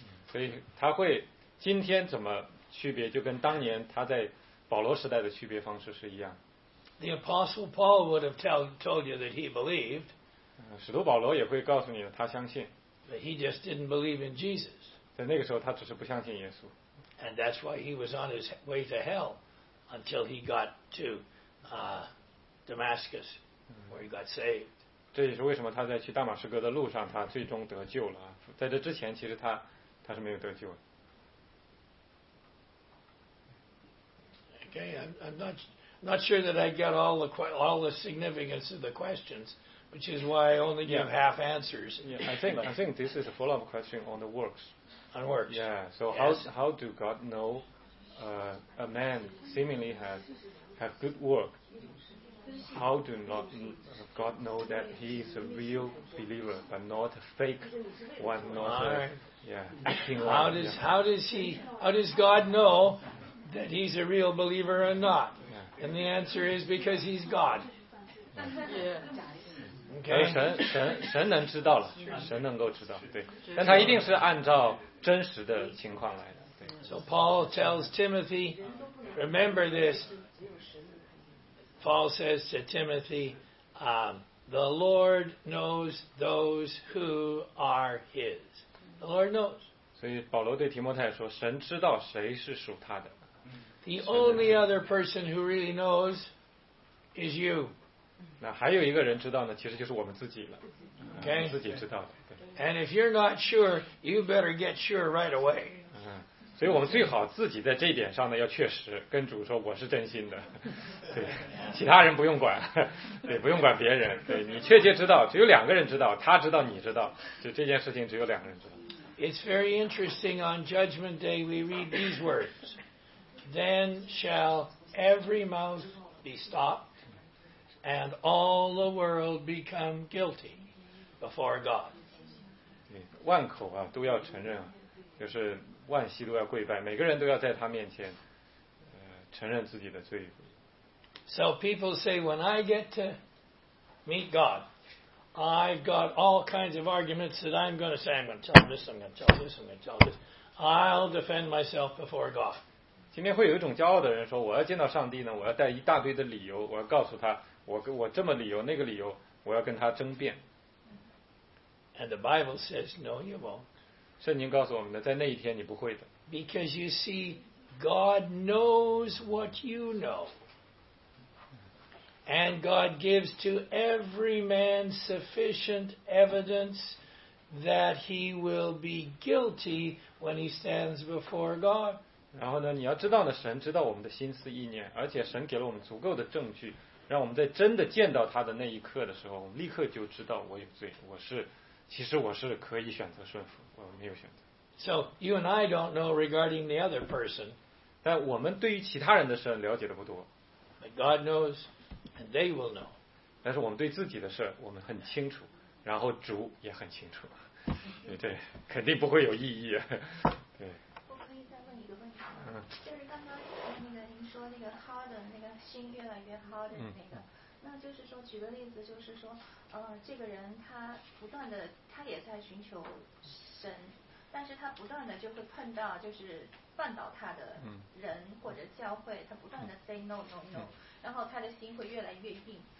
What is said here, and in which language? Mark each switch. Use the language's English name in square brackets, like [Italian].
[Chinese] 所以他会今天怎么区别，就跟当年他在保罗时代的区别方式是一样。 [English] The apostle Paul would have told you that he believed. [Chinese] 使徒保罗也会告诉你他相信。 [English] But he just didn't believe in Jesus. [Chinese] 在那个时候他只是不相信耶稣。 [English] And that's why he was on his way to hell until he got to Damascus where he got saved. [Chinese] 这也是为什么他在去大马士革的路上他最终得救了。在这之前其实他是没有得救的。 [English] Okay, I'm not sure that I get all the significance of the questions. Which is why I only give half answers. Yeah, I think this is a follow-up question on the works. On works. Yeah. So yes. how do God know a man seemingly has good work? How do not God know that he is a real believer but not a fake one? Acting like. How does God know that he's a real believer or not? Yeah. And the answer is because he's God. Yeah. Okay. [Chinese] 神能知道了，神能够知道，对，但他一定是按照真实的情况来的，对。 [English] So Paul tells Timothy, remember this. Paul says to Timothy, the Lord knows those who are His. The Lord knows. [Chinese] 所以保罗对提摩太说，神知道谁是属他的。 [English] The only other person who really knows is you. [Chinese] 那还有一个人知道呢，其实就是我们自己了。 [English] Okay. [Chinese] 自己知道的。 [English] And if you're not sure, you better get sure right away. [Chinese] 所以我们最好自己在这一点上呢要确实跟主说我是真心的。对，其他人不用管，对，不用管别人。对，你确切知道，只有两个人知道，他知道你知道，就这件事情只有两个人知道。 [English] It's very interesting, on Judgment Day we read these words. Then shall every mouth be stopped, and all the world become guilty before God. [Chinese] 万口啊都要承认，就是万膝都要跪拜，每个人都要在他面前承认自己的罪。 [English] So people say, when I get to meet God,I've got all kinds of arguments that I'm going to say. I'm going to tell this, I'm going to tell this, I'm going to tell this. I'll defend myself before God. [Chinese] 今天会有一种骄傲的人说，我要见到上帝呢，我要带一大堆的理由，我要告诉他，我这么理由，那个理由，我要跟他争辩。 [English] And the Bible says, no, you won't. [Chinese] 圣经告诉我们的，在那一天你不会的。 [English] Because you see, God knows what you know. And God gives to every man sufficient evidence that he will be guilty when he stands before God. [Chinese] 然后呢，你要知道呢，神知道我们的心思意念，而且神给了我们足够的证据，让我们在真的见到他的那一刻的时候，我们立刻就知道我有罪，其实我是可以选择顺服，我没有选择。 [English] So you and I don't know regarding the other person. [Chinese] 但我们对于其他人的事了解的不多。 [English] But God knows. And they will know. [Chinese] 但是我们对自己的事我们很清楚，然后主也很清楚，对，肯定不会有异议。对，我可以再问一个问题，就是刚刚那个您说那个 hard 的那个心越来越 hard 的那个，那就是说举个例子，就是说这个人他不断的他也在寻求神，但是他不断的就会碰到就是绊倒他的人或者教会，他不断的 [English] say no no no， [Chinese] 然后他的心会越来越硬。